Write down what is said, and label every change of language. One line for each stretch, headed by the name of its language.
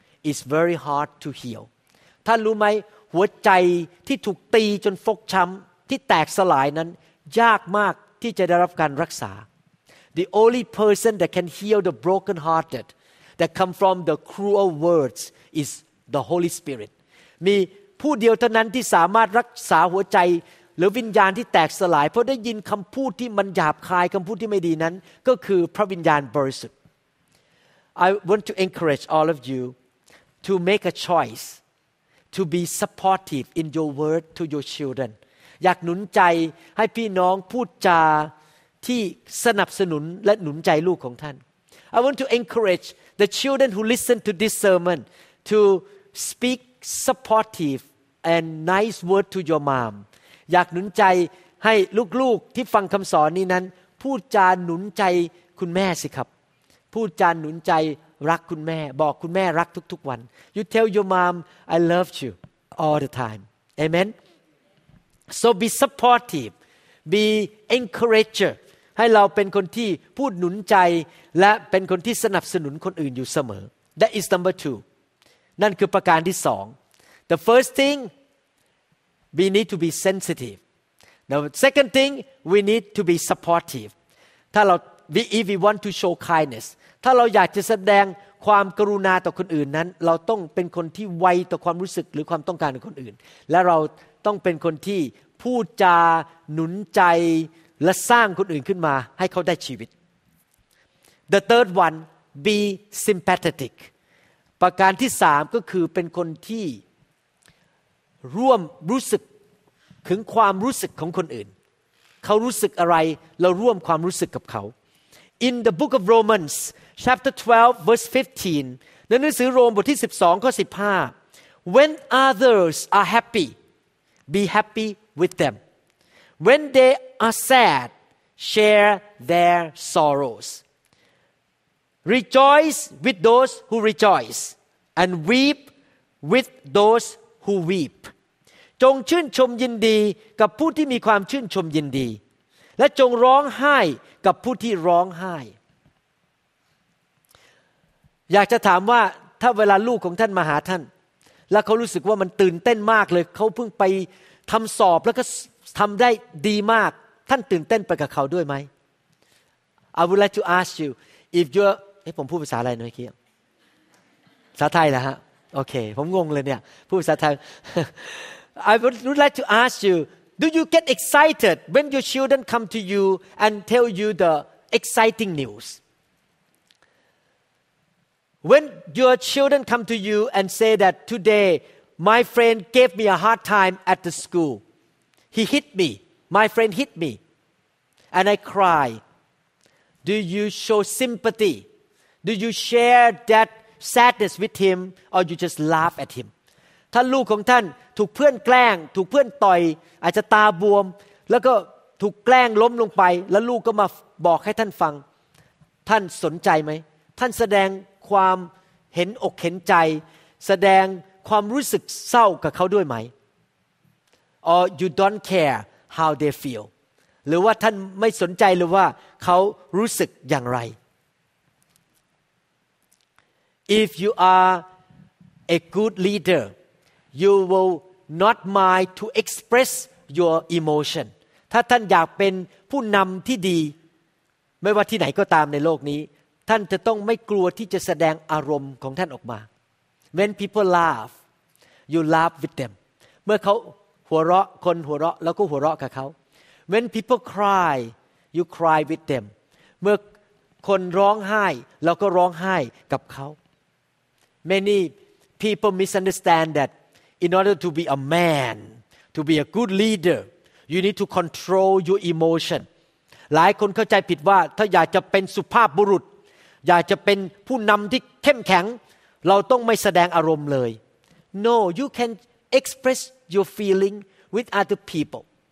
English: is very hard to heal
Thai: ท่านรู้ไหมหัวใจที่ถูกตีจนฟกช้ำที่แตกสลายนั้นยากมากที่จะได้รับการรักษา
English: the only person that can heal the broken hearted that come from the cruel words is the Holy Spirit
Thai: มีผู้เดียวเท่านั้นที่สามารถรักษาหัวใจหรือวิญญาณที่แตกสลายเพราะได้ยินคำพูดที่มันหยาบคายคำพูดที่ไม่ดีนั้นก็คือพระวิญญาณบริสุทธิ์
English: I want to encourage all of you to make a choice to be supportive in your word to your children
Thai: อยากหนุนใจให้พี่น้องพูดจาที่สนับสนุนและหนุนใจลูกของท่าน
English: I want to encourage the children who listen to this sermon to speak supportive and nice word to your mom
Thai: อยากหนุนใจให้ลูกๆที่ฟังคำสอนนี้นั้นพูดจาหนุนใจคุณแม่สิครับพูดจาหนุนใจรักคุณแม่บอกคุณแม่รักทุกๆวัน
English: You tell your mom I love you all the time Amen So be supportive Be encourager
Thai: ให้เราเป็นคนที่พูดหนุนใจและเป็นคนที่สนับสนุนคนอื่นอยู่เสมอ
English: That is number two
Thai: นั่นคือประการที่สอง
English: The first thing We need to be sensitive The second thing We need to be supportive
Thai: ถ้าเรา
English: If we want to show kindness,
Thai: ถ้าเราอยากจะแสดงความกรุณาต่อคนอื่นนั้นเราต้องเป็นคนที่ไวต่อความรู้สึกหรือความต้องการของคนอื่นและเราต้องเป็นคนที่พูดจาหนุนใจและสร้างคนอื่นขึ้นมาให้เขาได้ชีวิต
English: The third one, be sympathetic.
Thai: ประการที่สามก็คือเป็นคนที่ร่วมรู้สึกถึงความรู้สึกของคนอื่นเขารู้สึกอะไรเราร่วมความรู้สึกกับเขา
English: In the book of Romans, chapter 12, verse 15.
Thai: ในหนังสือโรมบทที่12ข้อ15
English: When others are happy, be happy with them. When they are sad, share their sorrows. Rejoice with those who rejoice, and weep with those who weep.
Thai: จงชื่นชมยินดีกับผู้ที่มีความชื่นชมยินดีและจงร้องไห้กับผู้ที่ร้องไห้อ ยากจะถามว่าถ้าเวลาลูกของท่านมาหาท่านแล้วเขารู้สึกว่ามันตื่นเต้นมากเลยเขาเพิ่งไปทำสอบแล้วก็ทำได้ดีมากท่านตื่นเต้นไปกับเขาด้วยไหม
English: I would like to ask you if you
Thai: ผมพูดภาษาอะไรหน่อยครับภาษาไทยนะฮะโอเคผมงงเลยเนี่ยพูดภาษาไทย
English: I would like to ask youDo you get excited when your children come to you and tell you the exciting news? When your children come to you and say that today my friend gave me a hard time at the school. He hit me. My friend hit me. And I cry. Do you show sympathy? Do you share that sadness with him or you just laugh at him?
Thai: ถ้าลูกของท่านถูกเพื่อนแกล้งถูกเพื่อนต่อยอาจจะตาบวมแล้วก็ถูกแกล้งล้มลงไปแล้วลูกก็มาบอกให้ท่านฟังท่านสนใจไหมท่านแสดงความเห็นอกเห็นใจแสดงความรู้สึกเศร้ากับเขาด้วยไหม
English: Or you don't care how they feel
Thai: หรือว่าท่านไม่สนใจหรือว่าเขารู้สึกอย่างไร
English: If you are a good leaderYou will not mind to express your emotion.
Thai: ถ้าท่านอยากเป็นผู้นำที่ดีไม่ว่าที่ไหนก็ตามในโลกนี้ท่านจะต้องไม่กลัวที่จะแสดงอารมณ์ของท่านออกมา
English: When people laugh, you laugh with them.
Thai: เมื่อเขาหัวเราะคนหัวเราะแล้วก็หัวเราะกับเขา
English: When people cry, you cry with them.
Thai: เมื่อคนร้องไห้เราก็ร้องไห้กับเขา
English: Many people misunderstand thatIn order to be a man, to be a good leader, you need to control your emotion.
Thai: หลายคนเข้าใจผิดว่าถ้าอยากจะเป็นสุภาพบุรุษอยากจะเป็นผู้นำที่เข้มแข็งเราต้องไม่แสดงอารมณ์เลย
English: No, you can express your feeling with other people.